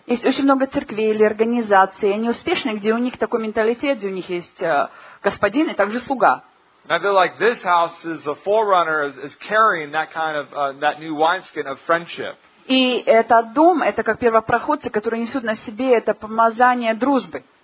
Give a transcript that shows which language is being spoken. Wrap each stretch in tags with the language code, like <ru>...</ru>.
<ru>Есть очень много церквей или организаций, они успешные, где у них такой менталитет, где у них есть господин и также слуга.</ru> <en>And I feel like this house is a forerunner, is carrying that kind of that new wineskin of friendship.</en> <ru>И этот дом, это как первопроходцы, которые несут на себе это помазание дружбы.</ru>